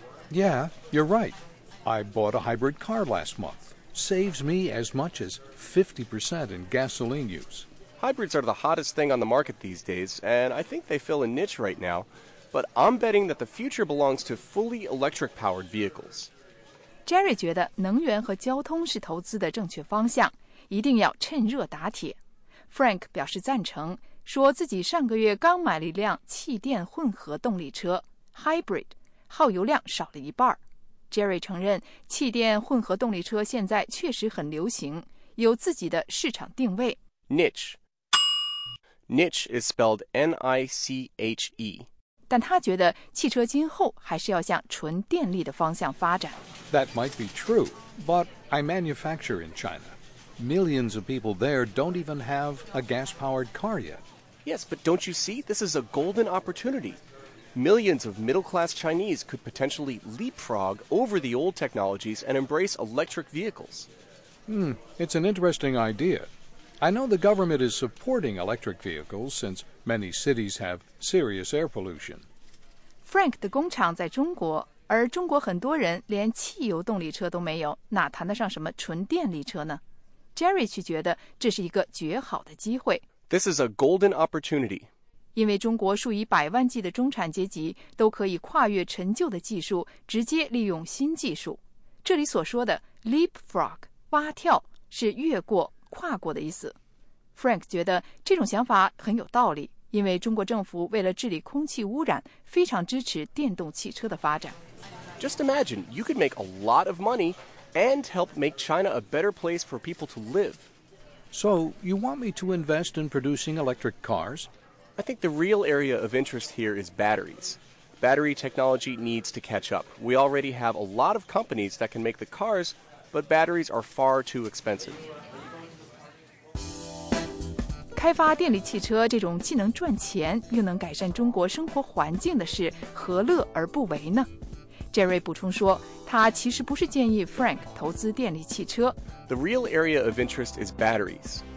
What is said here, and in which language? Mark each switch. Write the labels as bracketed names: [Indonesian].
[English] Yeah, you're right. I bought a hybrid car last month. Saves me as much as 50% in gasoline use. Hybrids are the hottest thing on the market these days, and I think they fill a niche right now. But I'm betting that the future belongs to fully electric-powered vehicles. [Chinese] Jerry 觉得能源和交通是投资的正确方向，一定要趁热打铁。 Frank 表示赞成，说自己上个月刚买了一辆气电混合动力车 ,hybrid, 耗油量少了一半。 Jerry 承认气电混合动力车现在确实很流行，有自己的市场定位。 [English] Niche. Niche is spelled N-I-C-H-E. [Chinese] 但他觉得汽车今后还是要向纯电力的方向发展。 [English] That might be true, but I manufacture in China. Millions of people there don't even have a gas-powered car yet. Yes, but don't you see? This is a golden opportunity. Millions of middle-class Chinese could potentially leapfrog over the old technologies and embrace electric vehicles. It's an interesting idea. I know the government is supporting electric vehicles since many cities have serious air pollution. [Chinese] Frank 的工厂在中国，而中国很多人连汽油动力车都没有，哪谈得上什么纯电力车呢？ Jerry 却觉得这是一个绝好的机会。 [English] This is a golden opportunity. [Chinese] 因为中国数以百万计的中产阶级都可以跨越陈旧的技术，直接利用新技术。这里所说的 leapfrog, 蛙跳是越过跨过的意思。 Frank 觉得这种想法很有道理，因为中国政府为了治理空气污染，非常支持电动汽车的发展。 [English] Just imagine, you could make a lot of money and help make China a better place for people to live. So, you want me to invest in producing electric cars? I think the real area of interest here is batteries. Battery technology needs to catch up. We already have a lot of companies that can make the cars, but batteries are far too expensive. [Chinese] 开发电力汽车这种既能赚钱又能改善中国生活环境的事，何乐而不为呢？ Jerry 补充说，他其实不是建议 Frank 投资电力汽车。 [English] The real area of interest is batteries.